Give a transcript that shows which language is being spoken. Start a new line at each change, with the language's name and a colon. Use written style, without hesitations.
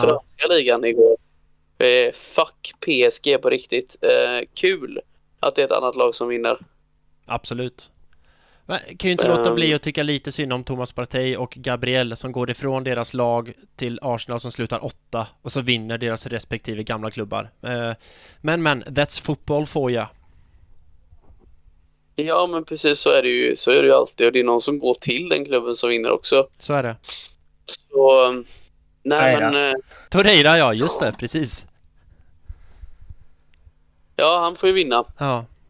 Swedish: franska ligan igår. Fuck PSG på riktigt. Kul att det är ett annat lag som vinner. Absolut. Men kan ju inte låta bli att tycka lite synd om Thomas Partey och Gabriel som går ifrån deras lag till Arsenal som slutar åtta och så vinner deras respektive gamla klubbar. Men,
English: that's football for ya.
Swedish: Ja, men precis så är det ju. Så är det ju alltid. Och det är någon som går till den klubben som vinner också. Så är det. Så, nej men. Torreira. Torreira, ja, just det, precis. Ja, han får ju vinna. Ja.